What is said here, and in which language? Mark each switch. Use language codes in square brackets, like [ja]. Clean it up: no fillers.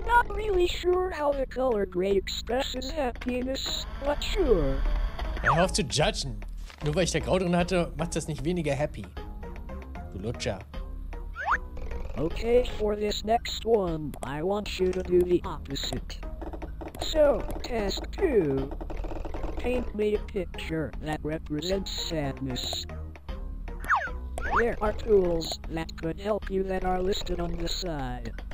[en] really sure how the color gray expresses happiness, but sure. [de] Hör auf zu judgen. Nur weil ich da grau drin hatte, macht das nicht weniger happy. Du Lutscher. [en] Okay, for this next one, I want you to do the opposite. So, task 2. Paint me a picture that represents sadness. There are tools that could help you that are listed on the side.